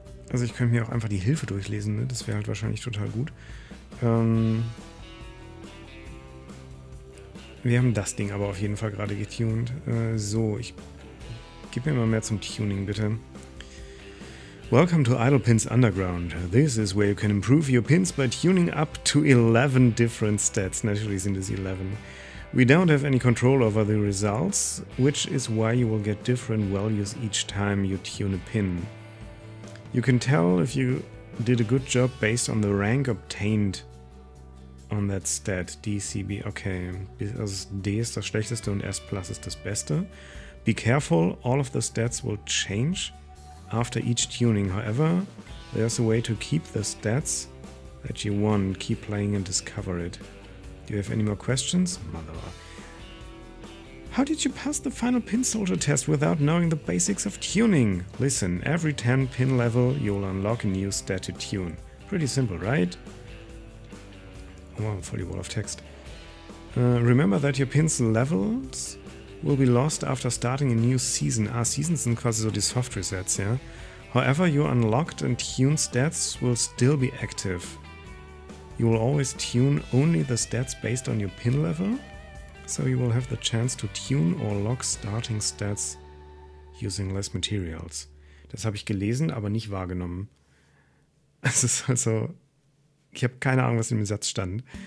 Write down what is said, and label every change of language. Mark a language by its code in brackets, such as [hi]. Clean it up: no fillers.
[de] Also ich könnte mir auch einfach die Hilfe durchlesen, ne? Das wäre halt wahrscheinlich total gut. Wir haben das Ding aber auf jeden Fall gerade getuned. So, ich gebe mir mal mehr zum Tuning, bitte. [en] Welcome to Idle Pins Underground. This is where you can improve your pins by tuning up to 11 different stats. Naturally [de] sind es 11. [en] We don't have any control over the results, which is why you will get different values each time you tune a pin. You can tell if you did a good job based on the rank obtained on that stat. D, C, B, okay. [de] Also D ist das schlechteste und S plus ist das beste. [en] Be careful, all of the stats will change after each tuning. However, there's a way to keep the stats that you won. Keep playing and discover it. Do you have any more questions? Mother. How did you pass the final pin soldier test without knowing the basics of tuning? Listen, every 10 pin level you'll unlock a new stat to tune. Pretty simple, right? [de] Oh, voll die [en] Wall of Text. Remember that your pins levels will be lost after starting a new season. [de] Ah, Seasons sind quasi so die Soft Resets, ja? [en] Yeah? However, your unlocked and tuned stats will still be active. You will always tune only the stats based on your pin level. So you will have the chance to tune or lock starting stats using less materials. [de] Das habe ich gelesen, aber nicht wahrgenommen. Es ist also... Ich habe keine Ahnung, was in dem Satz stand.